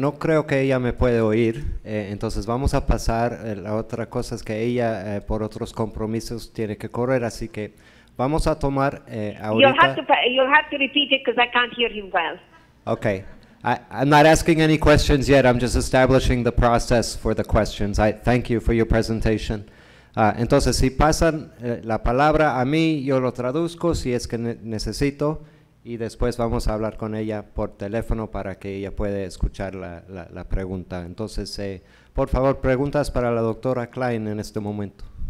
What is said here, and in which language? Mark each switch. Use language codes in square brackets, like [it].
[es] No creo que ella me puede oír, entonces vamos a pasar. La otra cosa es que ella, por otros compromisos, tiene que correr, así que vamos a tomar ahorita. [en] You'll have to repeat it because I can't hear him well. Okay. I'm not asking any questions yet. I'm just establishing the process for the questions. I thank you for your presentation. [es] Entonces, si pasan la palabra a mí, yo lo traduzco si es que necesito, y después vamos a hablar con ella por teléfono para que ella pueda escuchar la pregunta. Entonces, por favor, preguntas para la doctora Klein en este momento.